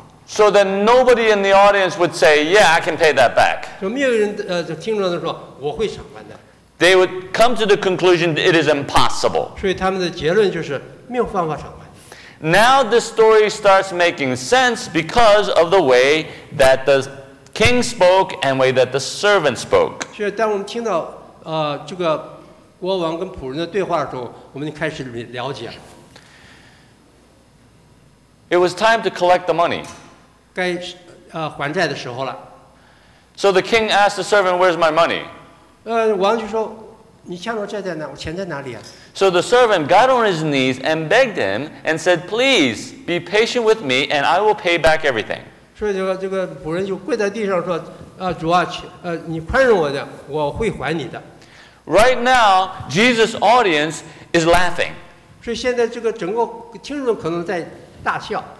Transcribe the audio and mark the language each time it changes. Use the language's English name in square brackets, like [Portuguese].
[English] So then nobody in the audience would say, "Yeah, I can pay that back." [Chinese] 就没有人就听众说我会偿还的。 [English] They would come to the conclusion that it is impossible. [Chinese] 所以他们的结论就是没有办法偿还。 [English] Now the story starts making sense because of the way that the king spoke and way that the servant spoke. [Chinese] 所以当我们听到这个。国王跟仆人的对话的时候，我们就开始了解了。 [English] It was time to collect the money. [Chinese] 该还债的时候了。 [English] So the king asked the servant, "Where's my money?" [Chinese] 王就说，你欠我债在哪？我钱在哪里啊？ [English] So the servant got on his knees and begged him and said, "Please be patient with me, and I will pay back everything." [Chinese] 所以这个仆人就跪在地上说，主啊，你宽容我的，我会还你的。 [English] Right now, Jesus' audience is laughing. [Chinese] 所以现在这个整个听众可能在大笑。